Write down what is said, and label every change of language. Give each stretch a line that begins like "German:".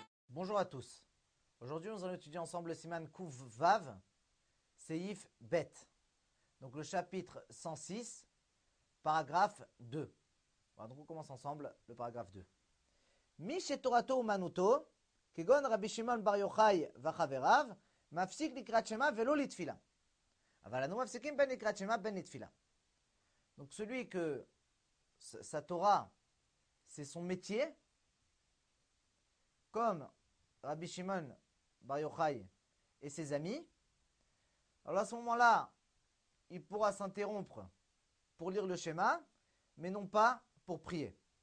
French: Bonjour à tous. Aujourd'hui, nous allons étudier ensemble le Siman Kuf Vav, Seif Bet. Donc le chapitre 106, paragraphe 2. Voilà, donc on commence ensemble le paragraphe 2.
Hebrew: מי שתורתו אומנותו, כגון רבי שמעון בר יוחאי וחבריו, מפסיק לקראת שמע ולא לתפילה. אבל אנו מפסיקים בין לקראת שמע בין לתפילה.
French: Donc celui que sa Torah, c'est son métier, comme רבי שמעון בר יוחאי et ses amis, alors à ce moment-là, il pourra s'interrompre pour lire le schéma, mais non pas pour prier.